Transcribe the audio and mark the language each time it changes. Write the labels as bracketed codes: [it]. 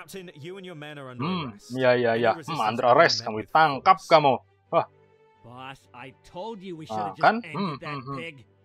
[en] Captain, you and your men are under arrest. Under arrest, [id] kamu ditangkap kamu. [en] Boss, I told you we should have just ended that pig.